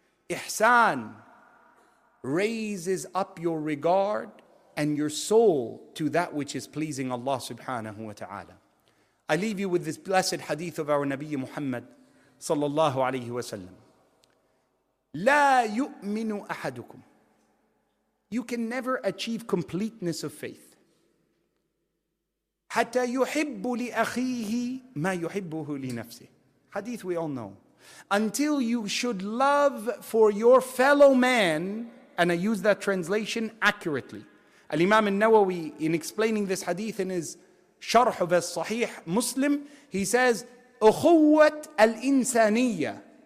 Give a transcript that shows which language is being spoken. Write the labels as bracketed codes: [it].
[en] Ihsan raises up your regard and your soul to that which is pleasing Allah subhanahu wa ta'ala. I leave you with this blessed hadith of our Nabi Muhammad sallallahu alayhi wa sallam. [ar] لا يؤمن أحدكم. [en] You can never achieve completeness of faith. [ar] حتى يحب لأخيه ما يحبه لنفسه. [en] Hadith we all know. Until you should love for your fellow man, and I use that translation accurately. Al-Imam al-Nawawi, in explaining this hadith in his Sharh of al-Sahih Muslim, he says, [ar] أخوت الإنسانية.